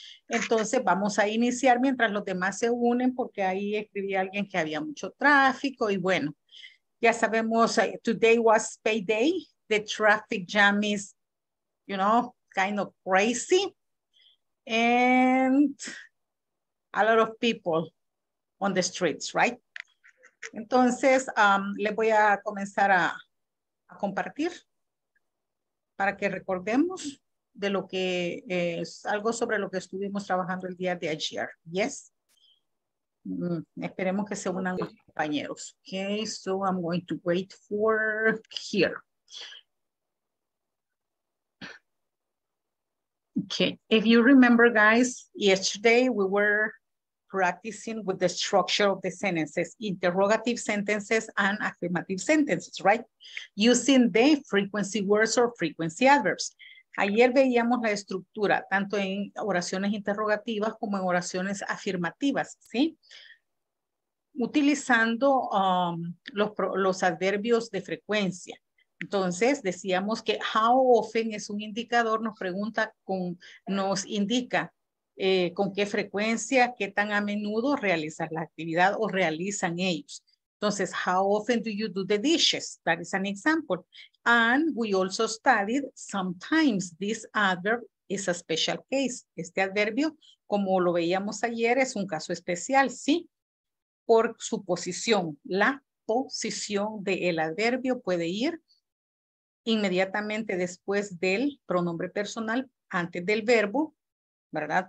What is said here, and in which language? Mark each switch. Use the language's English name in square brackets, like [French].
[Spanish] Entonces, vamos a iniciar mientras los demás se unen, porque ahí escribí a alguien que había mucho tráfico y bueno, ya sabemos, [English] today was payday, the traffic jam is, you know, kind of crazy, and a lot of people on the streets, right? [Spanish] Entonces, les voy a comenzar a compartir para que recordemos de lo que es algo sobre lo que estuvimos trabajando el día de ayer, yes? Esperemos que se unan más compañeros. [English] Okay, so I'm going to wait for here. Okay, if you remember, guys, yesterday we were practicing with the structure of the sentences, interrogative sentences and affirmative sentences, right? Using the frequency words or frequency adverbs. [Spanish] Ayer veíamos la estructura tanto en oraciones interrogativas como en oraciones afirmativas, ¿sí? Utilizando los adverbios de frecuencia. Entonces, decíamos que how often es un indicador, nos indica con qué frecuencia, qué tan a menudo realizas la actividad o realizan ellos. [English] Entonces, how often do you do the dishes? That is an example. And we also studied sometimes this adverb is a special case. [Spanish] Este adverbio, como lo veíamos ayer, es un caso especial, ¿sí? Por su posición. La posición del adverbio puede ir inmediatamente después del pronombre personal, antes del verbo, ¿verdad?